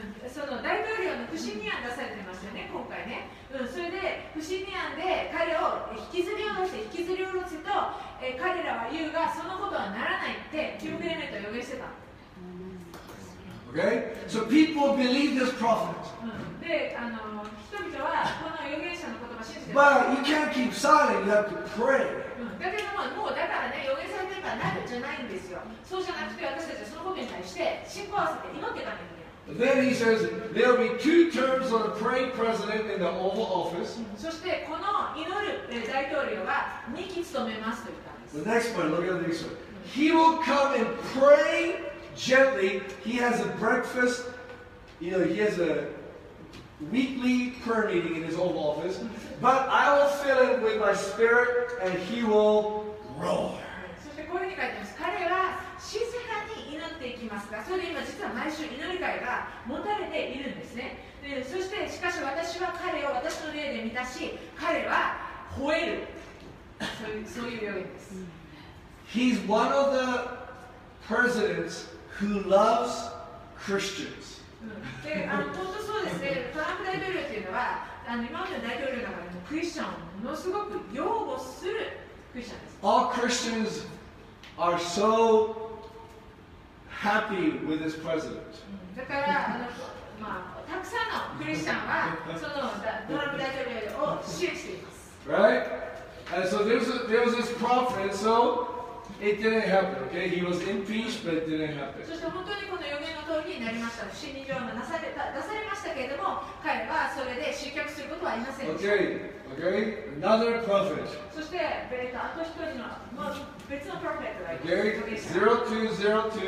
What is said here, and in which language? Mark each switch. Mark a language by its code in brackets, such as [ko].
[ja] その大統領の不信任案出されてますよね、今回ね。それで不信任案で彼を引きずり下ろして引きずり下ろすと、彼らは言うがそのことはならないってキム・クレメントは予言してた。 [en] Okay? So people believe this prophet. [ja] で、人々はこの預言者の言葉を信じてる。 [en] But you can't keep silent, you have to pray. [ja] だけども、もうだからね、預言されてるかなるじゃないんですよ。そうじゃなくて私たちはその方面に対して信仰を合わせて祈ってたんですよ。 [en] Then he says there will be two terms of the praying president in the Oval Office. [ja] そしてこの祈る大統領は2期務めますと言ったんです。 [en] The next point, look at this one. He will come and pray gently. He has a breakfast. You know, he has a weekly prayer meeting in his Oval Office. But I will fill him with my spirit and he will roar. [ja] そしてこれに書いてます。彼は静かに祈っていきますが、それで今実は毎週祈り会が持たれているんですね。でそしてしかし私は彼を私の霊で満たし、彼は吠えるそういう病院です。 [en] He's one of the presidents who loves Christians. [ja] で、本当そうですね。トランプ大統領というのは今までの大統領の中でもクリスチャンをものすごく擁護するクリスチャンです。 [en] All Christians are so. Happy with his president. [ja] だから、たくさんのクリスチャンはそのトランプ大統領を支援しています。 [en] Right? And so there was this prophet, so it didn't happen. Okay? He was impeached, but it didn't happen. [ja] そして本当にこの予言の通りになりました。不信任状がなされた、出されましたけれども、彼はそれで失脚することはありませんでした。 [en] Okay? Another prophet. [ja] そして、あと一人の、別のプロフェットがいます。